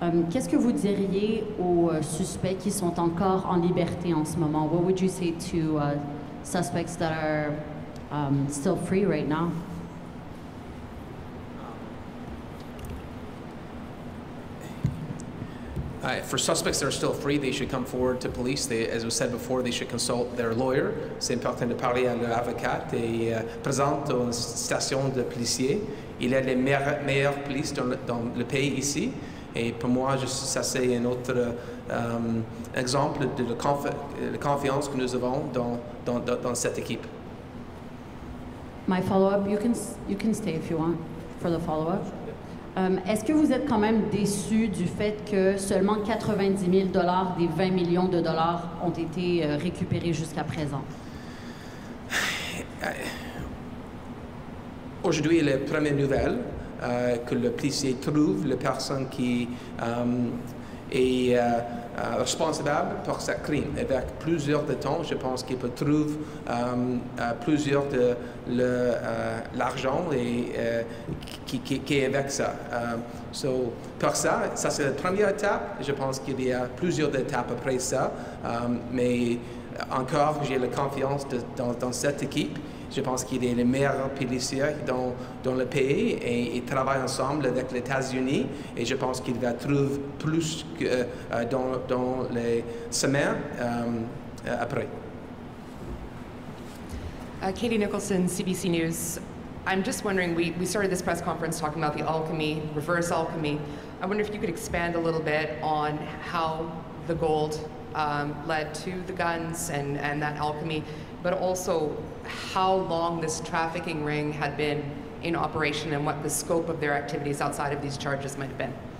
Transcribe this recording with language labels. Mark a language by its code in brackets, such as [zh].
[fr] Qu'est-ce que vous diriez aux suspects qui sont encore en liberté en ce moment? [en] What would you say to suspects that are still free right now? For suspects that are still free, they should come forward to police. They, as was said before, they should consult their lawyer. [fr] C'est important de parler à leur avocat et présente aux stations de policiers. Il est les meilleurs policiers dans le pays ici. Et pour moi, ça c'est un autre exemple de la confiance que nous avons dans cette équipe. [en] My follow-up, you can stay if you want for the follow-up. [fr] Est-ce que vous êtes quand même déçu du fait que seulement 90 000 dollars des 20 millions de dollars ont été récupérés jusqu'à présent? Aujourd'hui, la première nouvelle, que le policier trouve la personne qui est responsable pour ce crime. Avec plusieurs de temps, je pense qu'il peut trouver plusieurs de l'argent et qui est avec ça. Pour ça, ça c'est la première étape. Je pense qu'il y a plusieurs étapes après ça. Mais encore, j'ai la confiance dans cette équipe. Je pense qu'il est le meilleur policier dans le pays et il travaille ensemble avec les États-Unis et je pense qu'il va trouver plus que dans les semaines après. [en] Katie Nicholson, CBC News. I'm just wondering, we started this press conference talking about the alchemy, reverse alchemy. I wonder if you could expand a little bit on how the gold led to the guns and that alchemy, but also how long this trafficking ring had been in operation and what the scope of their activities outside of these charges might have been.